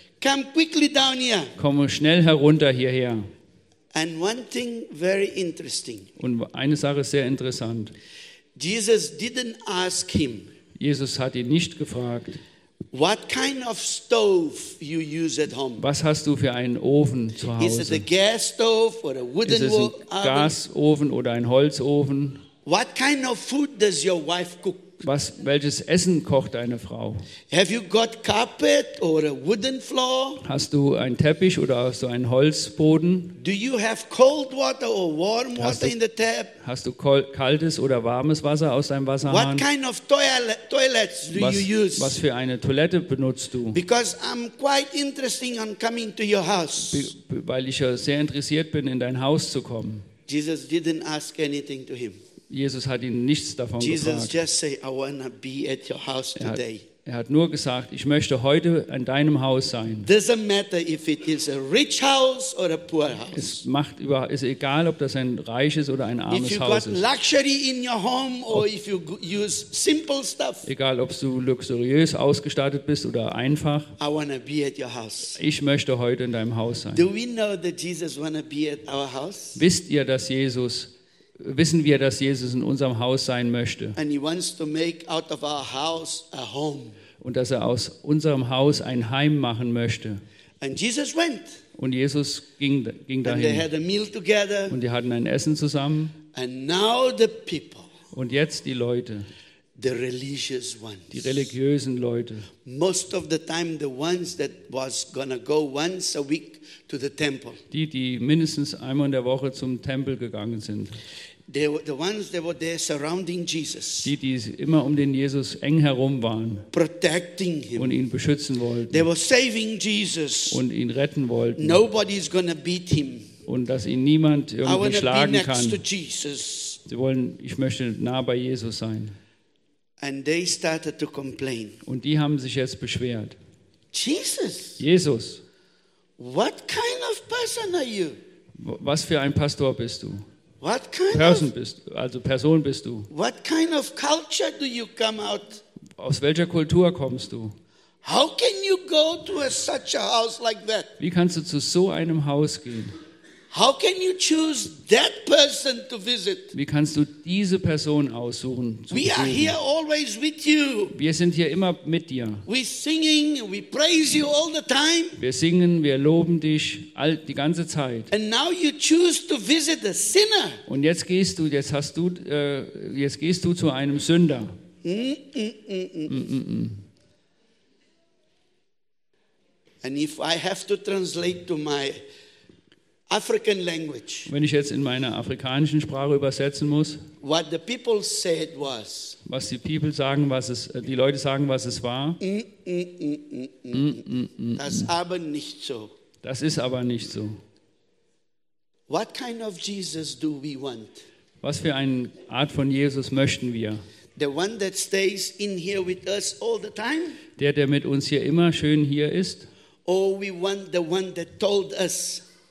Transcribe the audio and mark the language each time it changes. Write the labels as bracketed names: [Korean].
[English] Come quickly down here. [German] Komme schnell herunter hierher. [English] And one thing very interesting. [German] Und eine Sache sehr interessant. [English] Jesus didn't ask him. [German] Jesus hat ihn nicht gefragt. [English] What kind of stove you use at home? [German] Was hast du für einen Ofen zu Hause? [English] Is it a gas stove or a wooden oven? [German] Ist es ein Gasofen oder ein Holzofen? [English] What kind of food does your wife cook? [German] Was, welches Essen kocht deine Frau? [English] Have you got carpet or a wooden floor? [German] Hast du einen Teppich oder hast du einen Holzboden? [English] Do you have cold water or warm water in the tap? [German] Hast du kaltes oder warmes Wasser aus deinem Wasserhahn? [English] What kind of toilets do you use? [German] Was für eine Toilette benutzt du? [English] Because I'm quite interested on coming to your house. [German] Weil ich ja sehr interessiert bin, in dein Haus zu kommen. [English] Jesus didn't ask anything to him. [German] Jesus hat ihn nichts davon Jesus gefragt. [English] Just say, I wanna be at your house today. [German] Er hat nur gesagt, ich möchte heute in deinem Haus sein. [English] Doesn't matter if it is a rich house or a poor house. [German] Es macht ist egal, ob das ein reiches oder ein armes Haus ist. [English] If you got luxury in your home or if you use simple stuff. [German] Egal, ob du luxuriös ausgestattet bist oder einfach. [English] I wanna be at your house. [German] Ich möchte heute in deinem Haus sein. [English] Do we know that Jesus wanna be at our house? [German] Wisst ihr, dass Jesus Wissen wir, dass Jesus in unserem Haus sein möchte? [English] And he wants to make out of our house a home. [German] Und dass er aus unserem Haus ein Heim machen möchte. [English] And Jesus went. [German] Und Jesus ging dahin. [English] And they had a meal together. [German] Und die hatten ein Essen zusammen. [English] And now the people. [German] Und jetzt die Leute. [English] The religious ones. [German] Die religiösen Leute. [English] Most of the time the ones that was gonna go once a week to the temple. [German] Die mindestens einmal in der Woche zum Tempel gegangen sind. [English] They were the ones that were there surrounding Jesus. [German] Die immer um den Jesus eng herum waren. [English] Protecting him. [German] Und ihn beschützen wollten. [English] They were saving Jesus. [German] Und ihn retten wollten. [English] Nobody is gonna beat him. [German] Und dass ihn niemand irgendwie schlagen kann. [English] I wanna be next to Jesus. [German] Ich möchte nah bei Jesus sein. [English] And they started to complain. [German] Und die haben sich jetzt beschwert. [English] Jesus. What kind of person are you? [German] Was für ein Pastor bist du? [English] What kind person of [German] bist du? Also Person bist du? [English] What kind of culture do you come out? [German] Aus welcher Kultur kommst du? [English] How can you go to such a house like that? [German] Wie kannst du zu so einem Haus gehen? [English] How can you choose that person to visit? [German] Wie kannst du diese Person aussuchen? [English] We are here always with you. [German] Wir sind hier immer mit dir. [English] We singing, we praise you all the time. [German] Wir singen, wir loben dich die ganze Zeit. [English] And now you choose to visit a sinner. [German] Und jetzt gehst du, jetzt gehst du zu einem Sünder. [English] And if I have to translate to my African language. [German] Wenn ich jetzt in meiner afrikanischen Sprache übersetzen muss, [English] what the people said was, [German] was die people sagen, was es, die Leute sagen, was es war, das aber nicht so. Das ist aber nicht so. [English] What kind of Jesus do we want? [German] Was für eine Art von Jesus möchten wir? [English] The one that stays in here with us all the time? [German] Der mit uns hier immer schön hier ist? [English] Or we want the one that told us?